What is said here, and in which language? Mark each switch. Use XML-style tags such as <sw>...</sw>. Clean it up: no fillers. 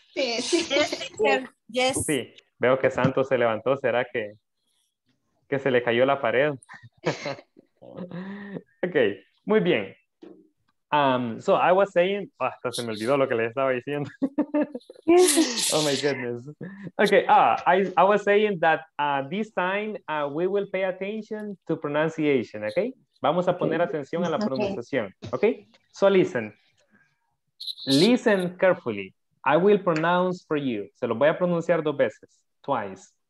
<es>Sí, yes. Sí, veo que Santos se levantó. ¿Será que se le cayó la pared? Okay, muy bien.</es> <en>So I was saying,</en> <es>hasta se me olvidó lo que les estaba diciendo.</es> <en>Oh my goodness. Okay, I was saying that this time we will pay attention to pronunciation, okay?</en> <es>Vamos a poner atención a la pronunciación, okay?</es> <en>So listen. Listen carefully. I will pronounce for you.</en> <es>Se lo voy a pronunciar dos veces, twice.</es>